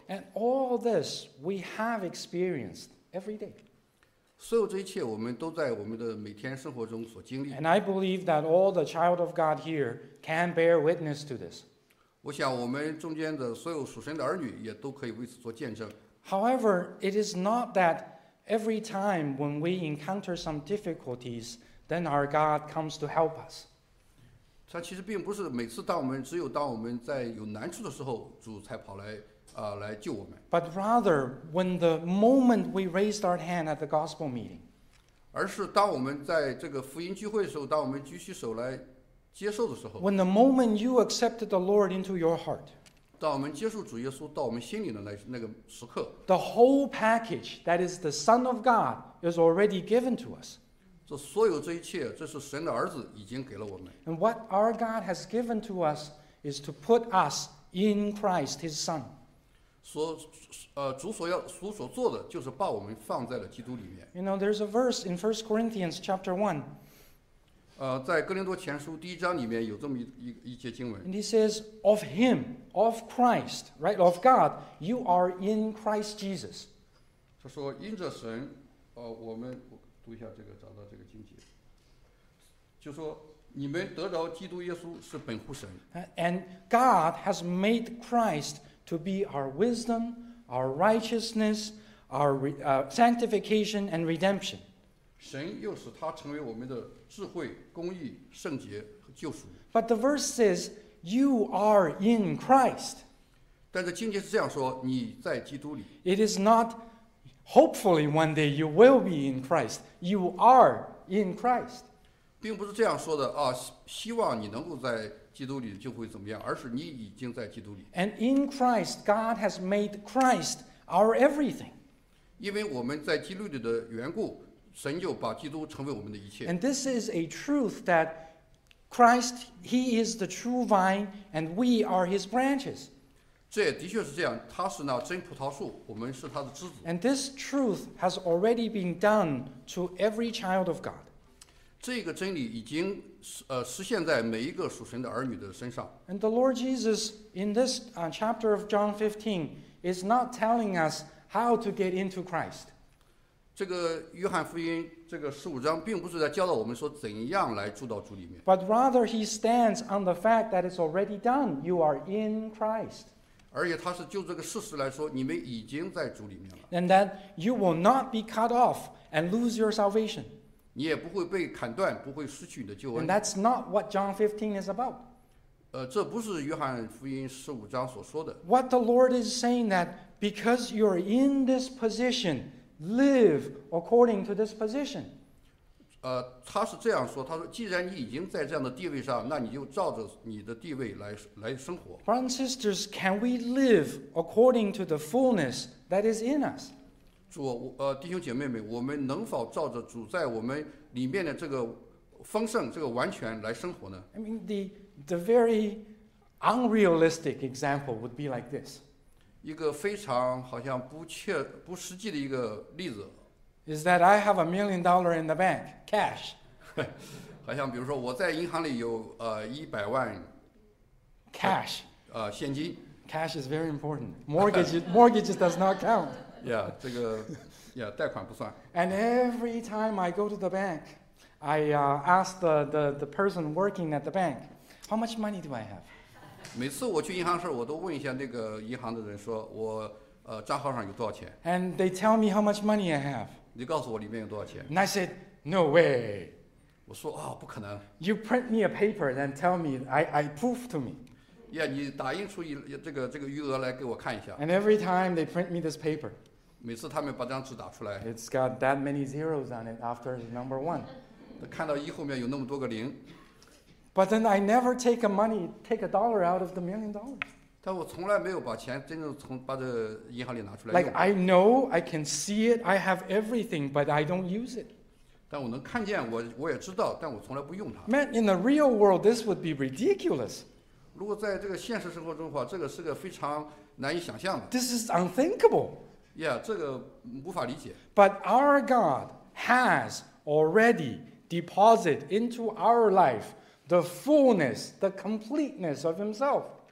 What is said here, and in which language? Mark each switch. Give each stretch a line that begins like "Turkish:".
English: And all this we have experienced every day.
Chinese: 所有这一切我们都在我们的每天生活中所经历。
English: And I believe that all the child of God here can bear witness to this.
Chinese: 我想我们中间的所有属神的儿女也都可以为此做见证。
English: However, it is not that every time when we encounter some difficulties, then our God comes to help us.
Chinese: 它其实并不是每次当我们只有当我们在有难处的时候，主才跑来来救我们。
English: But rather, when the moment we raised our hand at the gospel meeting,
Chinese: 而是当我们在这个福音聚会的时候，当我们举起手来接受的时候。
English: When the moment you accepted the Lord into your heart,
Chinese: 当我们接受主耶稣到我们心里的那个时刻。
English: The whole package that is the Son of God is already given to us.
Chinese: 所有这一切，这是神的儿子已经给了我们。
English: And what our God has given to us is to put us in Christ, His Son.
Chinese: 主所做的就是把我们放在了基督里面。
English: You know, there's a verse in 1 Corinthians chapter 1.
Chinese: 在哥林多前书第一章里面有这么一节经文。
English: And he says, of Him, of Christ, right, of God, you are in Christ Jesus.
Chinese: 他说，因着神，我们读一下这个，找到这个经节，就说你们得着基督耶稣是本乎神。
English: And God has made Christ to be our wisdom, our righteousness, our sanctification and redemption.
Chinese: 神又使他成为我们的智慧、公义、圣洁和救赎。
English: But the verse says, "You are in Christ."
Chinese: 但是经节是这样说：你在基督里。
English: It is not. Hopefully, one day you will be in Christ. You are in Christ.
Chinese: 并不是这样说的啊，希望你能够在基督里就会怎么样，而是你已经在基督里。
English: And in Christ, God has made Christ our everything.
Chinese: 因为我们在基督里的缘故，神就把基督成为我们的一切。
English: And this is a truth that Christ, He is the true vine, and we are His branches.
Chinese: 这的确是这样，他是那真葡萄树，我们是他的枝子。
English: And this truth has already been done to every child of God.
Chinese: 这个真理已经实现在每一个属神的儿女的身上。
English: And the Lord Jesus in this chapter of John 15 is not telling us how to get into Christ.
Chinese: 这个约翰福音这个十五章并不是在教导我们说怎样来住到主里面。
English: But rather he stands on the fact that it's already done. You are in Christ.
Chinese: 而且他是就这个事实来说，你们已经在主里面了。
English: And that you will not be cut off and lose your salvation.
Chinese: 你也不会被砍断，不会失去你的救恩。
English: And that's not what John 15 is about.
Chinese: 这不是约翰福音十五章所说的。
English: What the Lord is saying that because you're in this position, live according to this position.
Chinese: 他是这样说，他说既然你已经在这样的地位上，那你就照着你的地位 来生活。
English: Brothers and sisters, can we live according to the fullness that is in us?
Chinese: 主，弟兄姐妹们，我们能否照着主在我们里面的这个丰盛，这个完全来生活呢？
English: I mean, the very unrealistic example would be like this.
Chinese: 一个非常好像不实际的一个例子
English: is that I have $1 million in the bank, cash.
Chinese: 好像比如说我在银行里有100万
English: cash.
Chinese: 现金。
English: Cash is very important. Mortgages does not count.
Chinese: Yeah, 这个 yeah, 贷款不算。
English: And every time I go to the bank, I ask the person working at the bank, how much money do I have?
Chinese: 每次我去银行时我都问一下那个银行的人说我账号上有多少钱。
English: And they tell me how much money I have.
Chinese: 你告诉我里面有多少钱
English: And I said, no way.
Chinese: 我说啊、哦、不可能。
English: You print me a paper and tell me, I prove to me.
Chinese: Yeah, 你打印出这个余额来给我看一下。
English: And every time they print me this paper.
Chinese: 每次他们把张纸打出来。
English: It's got that many zeros on it after number one.
Chinese: 看到一后面有那么多个零。
English: But then I never take a dollar out of the $1 million.
Chinese: 但我从来没有把钱真正从把这银行里拿出来。
English: Like I know, I can see it, I have everything, but I don't use it.
Chinese: 但我能看见，我也知道，但我从来不用它。
English: Man, in the real world, this would be ridiculous.
Chinese: 如果在这个现实生活中的话，这个是个非常难以想象的。
English: This is unthinkable.
Chinese: Yeah, 这个无法理解。
English: But our God has already deposited into our life the fullness, the completeness of Himself.